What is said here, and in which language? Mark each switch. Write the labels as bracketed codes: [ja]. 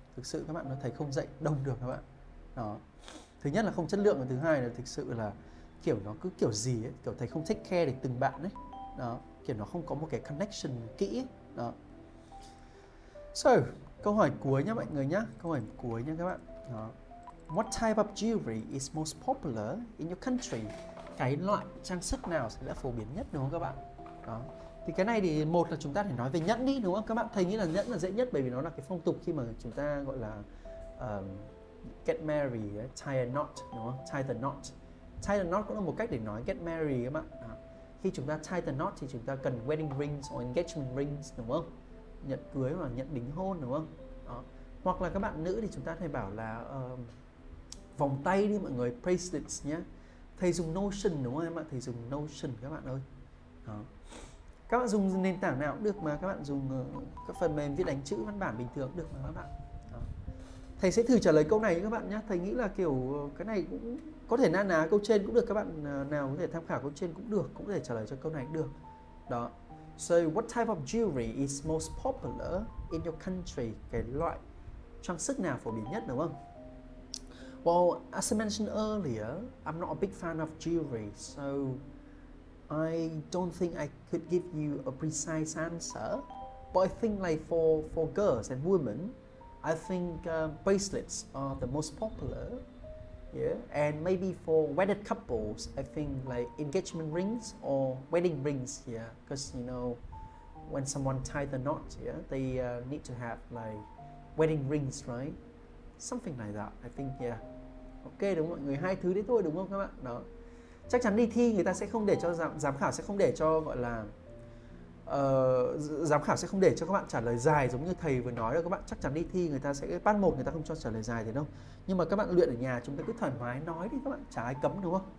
[vi] Thực sự các bạn nói thầy không dạy đông được các bạn. Đó. Thứ nhất là không chất lượng, và thứ hai là thực sự là kiểu nó cứ kiểu gì ấy, kiểu thầy không take care được từng bạn ấy. Đó, kiểu nó không có một cái connection kỹ ấy. Đó. So, câu hỏi cuối nha mọi người nhá. Câu hỏi cuối nha các bạn. Đó. [en] What type of jewelry is most popular in your country? [vi] Cái loại trang sức nào sẽ là phổ biến nhất đúng không các bạn? Đó. Thì cái này thì một là chúng ta phải nói về nhẫn đi đúng không? Các bạn thầy nghĩ là nhẫn là dễ nhất bởi vì nó là cái phong tục khi mà chúng ta gọi là [en] get married, tie a knot [vi] đúng không? [en] Tie the knot. Tie the knot [vi] cũng là một cách để nói [en] get married [vi] các bạn. Đó. Khi chúng ta [en] tie the knot [vi] thì chúng ta cần [en] wedding rings or engagement rings [vi] đúng không? Nhẫn cưới hoặc nhẫn đính hôn đúng không? Đó. Hoặc là các bạn nữ thì chúng ta thầy bảo là vòng tay đi mọi người, bracelets nhé. Thầy dùng Notion đúng không em ạ? Thầy dùng Notion các bạn ơi. Đó. Các bạn dùng nền tảng nào cũng được mà, các bạn dùng các phần mềm viết đánh chữ văn bản bình thường cũng được mà các bạn. Đó. Thầy sẽ thử trả lời câu này các bạn nhé. Thầy nghĩ là kiểu cái này cũng có thể na ná câu trên cũng được, các bạn nào có thể tham khảo câu trên cũng được, cũng có thể trả lời cho câu này cũng được. Đó. [en] So what type of jewelry is most popular in your country? [vi] Cái loại trang sức nào phổ biến nhất đúng không? [en] Well, as I mentioned earlier, I'm not a big fan of jewelry, so I don't think I could give you a precise answer. But I think like for girls and women, I think bracelets are the most popular. Yeah, and maybe for wedded couples, I think like engagement rings or wedding rings, yeah. Because you know, when someone ties the knot, yeah, they need to have like wedding rings, right? Something like that, I think, yeah. [vi] Ok đúng mọi người, hai thứ đấy thôi đúng không các bạn? Đó. Chắc chắn đi thi người ta sẽ không để cho giám khảo sẽ không để cho gọi là Giám khảo sẽ không để cho các bạn trả lời dài giống như thầy vừa nói đâu các bạn. Chắc chắn đi thi người ta sẽ bắt một, người ta không cho trả lời dài thế đâu. Nhưng mà các bạn luyện ở nhà chúng ta cứ thoải mái nói đi các bạn, chả ai cấm đúng không?